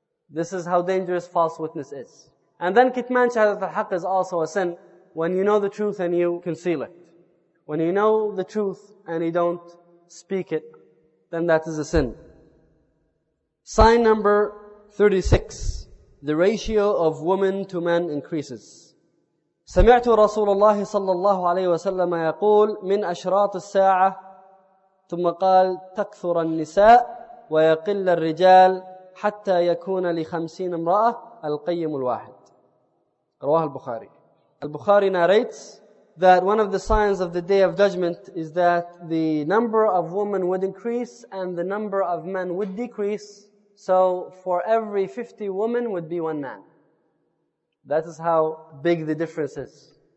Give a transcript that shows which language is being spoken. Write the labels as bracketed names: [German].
[English] This is how dangerous false witness is. And then kitman shahadat al-haq is also a sin when you know the truth and you conceal it. When you know the truth and you don't speak it, then that is a sin. Sign number 36. The ratio of women to men increases. [Arabic] سمعت رسول الله صلى الله عليه وسلم يقول من أشراط الساعة ثم قال تكثر النساء ويقل الرجال حتى يكون لخمسين امرأة القيم الواحد. Rawah al-Bukhari. [English] Al-Bukhari narrates that one of the signs of the Day of Judgment is that the number of women would increase and the number of men would decrease. So for every 50 women would be one man. That is how big the difference is.